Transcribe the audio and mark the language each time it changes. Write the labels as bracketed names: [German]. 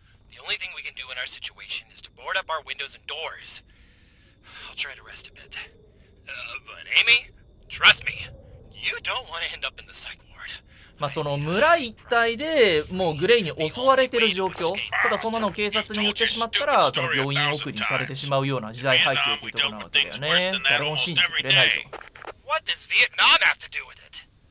[English] The only thing we can do in our situation is to board up our windows and doors. I'll try to rest a bit. But Amy, trust me. You don't want to end up in the psych ward. [Japanese] まあその村一帯でもうグレイに襲われてる状況、ただそんなのを警察に言ってしまったらその病院送りにされてしまうような時代背景というところなわけだよね。誰も信じてくれないと。 [English] What does Vietnam have to do with it?